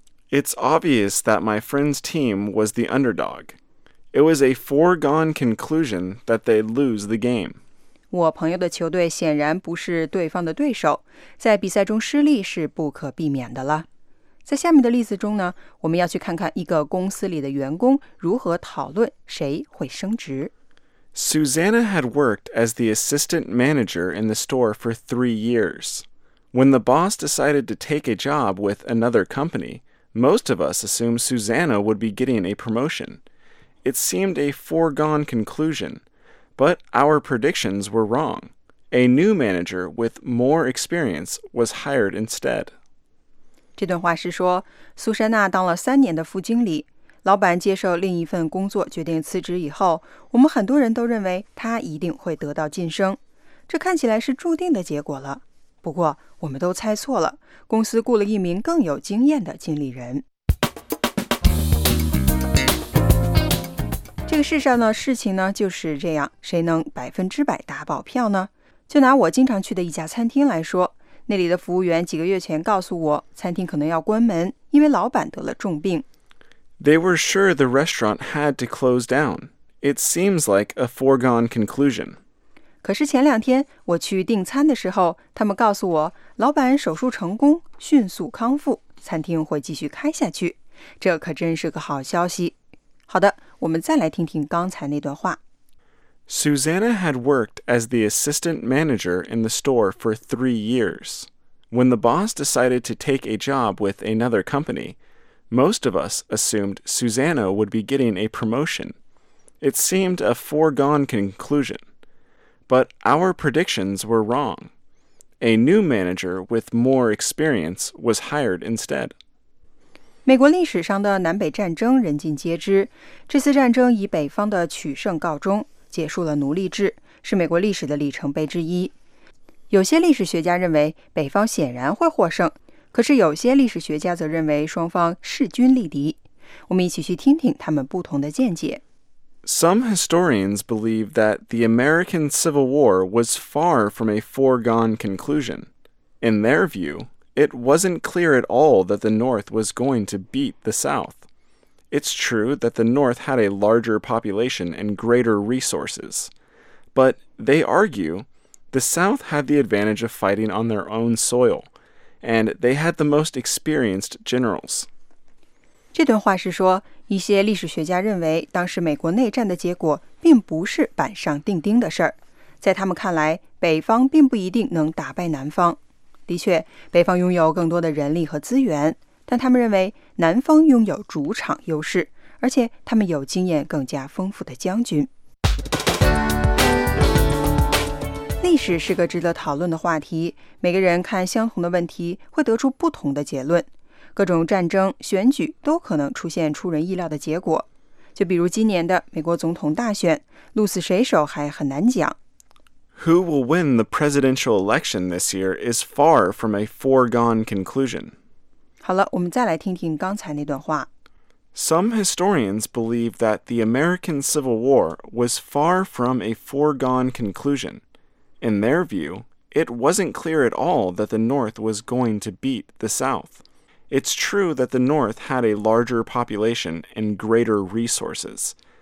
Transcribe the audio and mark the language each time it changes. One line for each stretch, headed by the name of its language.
English: It's obvious that my friend's team was the underdog. It was a foregone conclusion that they'd lose the game.
Chinese: 我朋友的球队显然不是对方的对手，在比赛中失利是不可避免的了。在下面的例子中呢，我们要去看看一个公司里的员工如何讨论谁会升职。
English: Susanna had worked as the assistant manager in the store for 3 years. When the boss decided to take a job with another company, most of us assumed Susanna would be getting a promotion. It seemed a foregone conclusion. But our predictions were wrong. A new manager with more experience was hired instead.
Chinese: 这段话是说，苏珊娜当了3年的副经理，老板接受另一份工作决定辞职以后，我们很多人都认为她一定会得到晋升。这看起来是注定的结果了。不过，我们都猜错了，公司雇了一名更有经验的经理人。这个世上呢，事情呢就是这样，谁能100%打保票呢？就拿我经常去的一家餐厅来说，那里的服务员几个月前告诉我，餐厅可能要关门，因为老板得了重病。
English: They were sure the restaurant had to close down. It seems like a foregone conclusion.
Chinese: 可是前两天我去订餐的时候，他们告诉我，老板手术成功，迅速康复，餐厅会继续开下去。这可真是个好消息。好的，我们再来听听刚才那段话。
English: Susanna had worked as the assistant manager in the store for 3 years. When the boss decided to take a job with another company, most of us assumed Susanna would be getting a promotion. It seemed a foregone conclusion. But our predictions were wrong. A new manager with more experience was hired instead.
Chinese: 美国历史上的南北战争人尽皆知，这次战争以北方的取胜告终，结束了奴隶制，是美国历史的里程碑之一。有些历史学家认为北方显然会获胜，可是有些历史学家则认为双方势均力敌。我们一起去听听他们不同的见解。
English: Some historians believe that the American Civil War was far from a foregone conclusion. In their view,It wasn't clear at all that the North was going to beat the South. It's true that the North had a larger population and greater resources. But, they argue, the South had the advantage of fighting on their own soil, and they had the most experienced generals.
Chinese: 这段话是说，一些历史学家认为当时美国内战的结果并不是板上钉钉的事儿。在他们看来，北方并不一定能打败南方。的确，北方拥有更多的人力和资源，但他们认为南方拥有主场优势，而且他们有经验更加丰富的将军。历史是个值得讨论的话题，每个人看相同的问题会得出不同的结论，各种战争、选举都可能出现出人意料的结果。就比如今年的美国总统大选，鹿死谁手还很难讲。
English: Who will win the presidential election this year is far from a foregone conclusion.
Chinese: 好了，我们再来听听刚才那段话。
English: Some historians believe that the American Civil War was far from a foregone conclusion. In their view, it wasn't clear at all that the North was going to beat the South. It's true that the North had a larger population and greater resources.